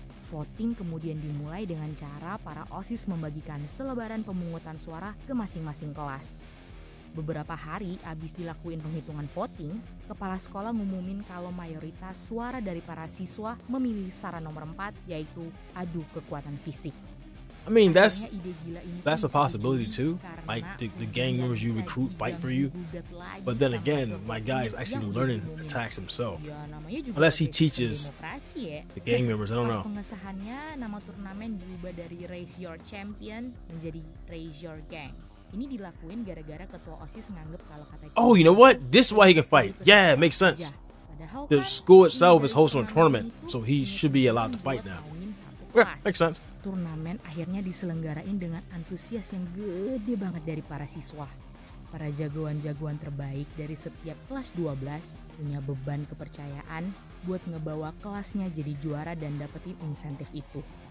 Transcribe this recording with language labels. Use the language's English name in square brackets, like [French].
[Indonesian] Voting kemudian dimulai dengan cara para OSIS membagikan selebaran pemungutan suara ke masing-masing kelas. Beberapa hari abis dilakuin penghitungan voting, kepala sekolah ngumumin kalau mayoritas suara dari para siswa memilih saran nomor 4, yaitu adu kekuatan fisik. [English] I mean, that's a possibility too. Like the gang members you recruit fight for you. But then again, my guy is actually learning attacks himself. Unless he teaches the gang members, I don't know. [Indonesian] Pengesahannya nama turnamen diubah dari Raise Your Champion menjadi Raise Your Gang. Ini dilakuin gara-gara ketua OSIS nganggep kalau kata [English] Cina. Oh, you know what? This is why he can fight. Yeah, it makes sense. The school itself is hosting a tournament, so he should be allowed to fight now. Yeah, makes sense. [Indonesian] Turnamen akhirnya diselenggarain dengan antusias yang gede banget dari para siswa. Para jagoan-jagoan terbaik dari setiap kelas 12 punya beban kepercayaan buat ngebawa kelasnya jadi juara dan dapetin insentif itu.